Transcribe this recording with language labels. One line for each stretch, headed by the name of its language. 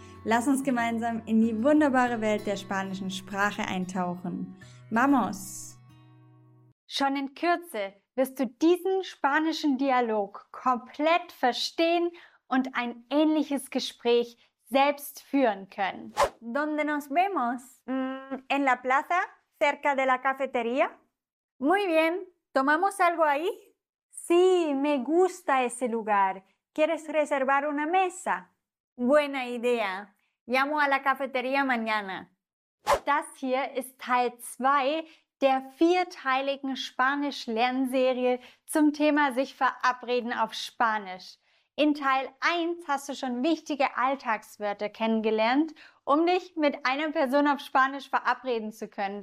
German: Lass uns gemeinsam in die wunderbare Welt der spanischen Sprache eintauchen. ¡Vamos! Schon in Kürze wirst du diesen spanischen Dialog komplett verstehen und ein ähnliches Gespräch selbst führen können.
Spanish: ¿Dónde nos vemos? En la plaza, cerca de la cafetería. Muy bien. ¿Tomamos algo ahí? Sí, me gusta ese lugar. ¿Quieres reservar una mesa? Buena idea. Llamo a la cafetería mañana.
German: Das hier ist Teil 2 der vierteiligen Spanisch-Lernserie zum Thema sich verabreden auf Spanisch. In Teil 1 hast du schon wichtige Alltagswörter kennengelernt, um dich mit einer Person auf Spanisch verabreden zu können.